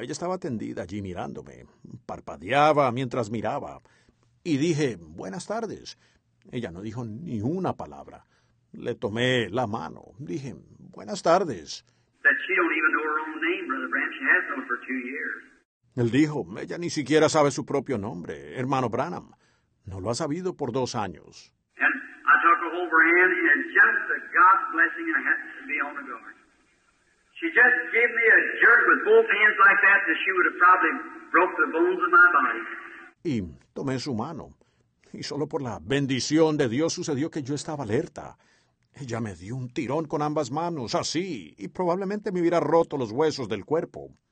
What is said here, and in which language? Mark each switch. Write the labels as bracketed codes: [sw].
[es] Ella estaba tendida allí mirándome. Parpadeaba mientras miraba. Y dije, buenas tardes. Ella no dijo ni una palabra. Le tomé la mano. Dije, buenas tardes. [en] That she don't even know her own name, Brother Branham. She has known for 2 years. [es] Él dijo, ella ni siquiera sabe su propio nombre, hermano Branham. No lo ha sabido por 2 años. [en] And I took a hold. overhand, and just a God blessing, and I happened to be on the guard. She just gave me a jerk with both hands like that, and she would have probably broke the bones of my body. [es] Y tomé su mano. Y solo por la bendición de Dios sucedió que yo estaba alerta. Ella me dio un tirón con ambas manos, así, y probablemente me hubiera roto los huesos del cuerpo.